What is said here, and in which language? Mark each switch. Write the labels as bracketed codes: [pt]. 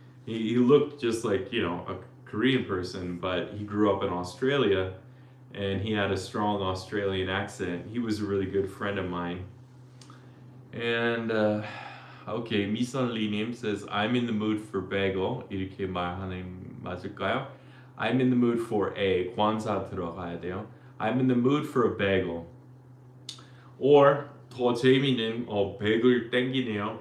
[en] He looked just like, you know, a Korean person, but he grew up in Australia and he had a strong Australian accent. He was a really good friend of mine. And, okay, Misan Lee Nim says, I'm in the mood for bagel. [ko] 이렇게 말하는 맞을까요? [en] I'm in the mood for a [ko] 관사 들어가야 돼요. [en] I'm in the mood for a bagel. [ko] Or 더 재미있는 백을 땡기네요.